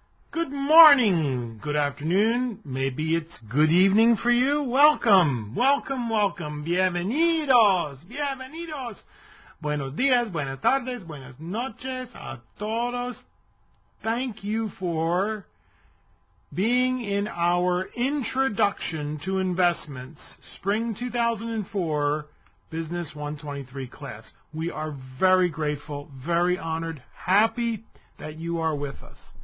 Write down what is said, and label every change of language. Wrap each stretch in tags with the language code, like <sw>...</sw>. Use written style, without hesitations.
<en>Good morning, good afternoon, maybe it's good evening for you. Welcome, welcome, welcome.</en> <es>Bienvenidos, bienvenidos. Buenos días, buenas tardes, buenas noches a todos.</es> <en>Thank you for being in our Introduction to Investments, Spring 2004 Business 123 class. We are very grateful, very honored, happy that you are with us.</en>